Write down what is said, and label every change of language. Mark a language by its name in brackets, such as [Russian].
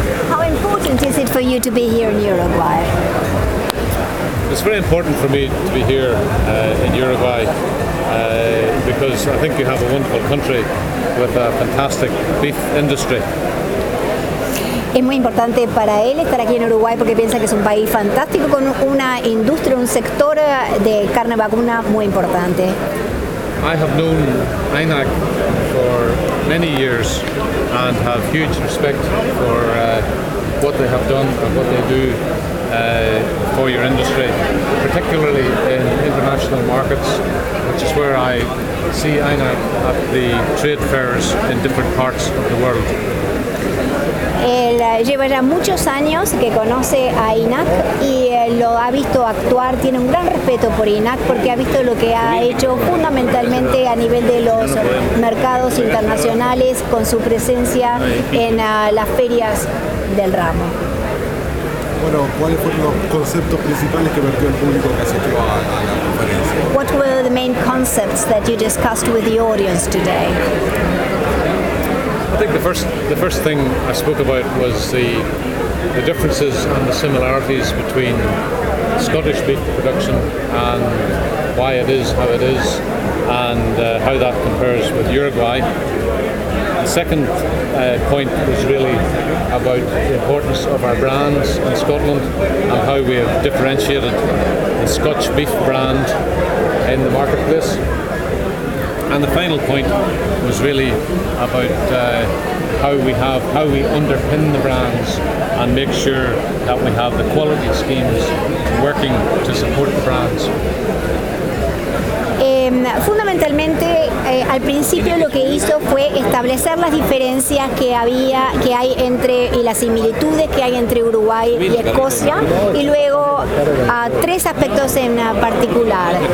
[English] How important is it for you to be here in Uruguay? It's very important for me to be here in Uruguay because I think you have a wonderful country with a fantastic beef industry. [Spanish] Es muy importante para él estar aquí en Uruguay porque piensa que es un país fantástico con una industria, un sector de carne vacuna muy importante. [English] I have known INAC for many years and have huge respect for what they have done and what they do for your industry, particularly in international markets, which is where I see INAC at the trade fairs in different parts of the world. [Spanish] Él lleva ya muchos años que conoce a INAC y lo ha visto actuar, tiene un gran respeto por INAC porque ha visto lo que ha hecho fundamentalmente a nivel de los mercados internacionales con su presencia en las ferias del ramo. Bueno, ¿cuáles fueron los conceptos principales que vertió el público que asistió a la conferencia? [English] What were the main concepts that you discussed with the audience today? I think the first thing I spoke about was the differences and the similarities between Scottish beef production and why it is how it is and how that compares with Uruguay. The second point was really about the importance of our brands in Scotland and how we have differentiated the Scotch beef brand in the marketplace. And the final point was really about how we underpin the brands and make sure that we have the quality schemes working to support the brands. [Spanish] Fundamentalmente, al principio lo que hizo fue establecer las diferencias que hay entre Uruguay y Escocia y luego tres aspectos en particular.